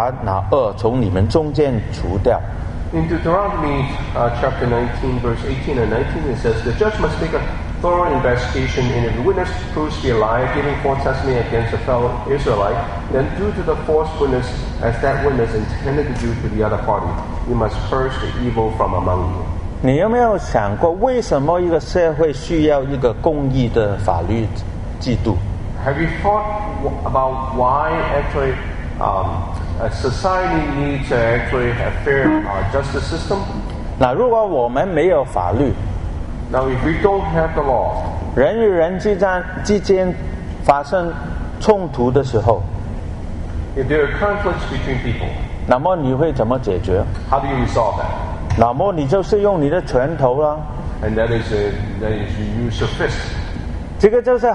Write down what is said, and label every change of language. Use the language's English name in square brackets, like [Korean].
[Chinese] 在申命记18-19节说，审判官要事事的查究，若见证人果然是做假证证的，以假证证陷害弟兄，你们就要待他如同他想要待的弟兄，这样就把那恶从你们中间除掉。 [English] In Deuteronomy chapter 19, verse 18 and 19, it says, "The judge must take a thorough investigation, and if the witness proves to be a liar, giving false testimony against a fellow Israelite, then due to the false witness, as that witness intended to do to the other party, you must purge the evil from among you." [Chinese] 你有没有想过，为什么一个社会需要一个公义的法律制度？ [English] Have you thought about why actually a society needs to actually have fair justice system? [Chinese] 那如果我们没有法律， [English] Now, if we don't have the law, [Chinese] 人与人之间发生冲突的时候， [English] If there are conflicts between people, [Chinese] 那么你会怎么解决？ [English] How do you resolve that? [Chinese] 那么你就是用你的拳头了。 [English] And that is you use your fist.